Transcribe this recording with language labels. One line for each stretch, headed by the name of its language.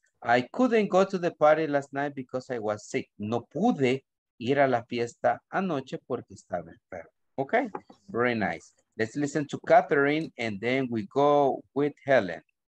English: I couldn't go to the party last night because I was sick.
Spanish: No pude ir a la fiesta anoche porque estaba enfermo.
English: Okay, very nice. Let's listen to Catherine and then we go with Helen.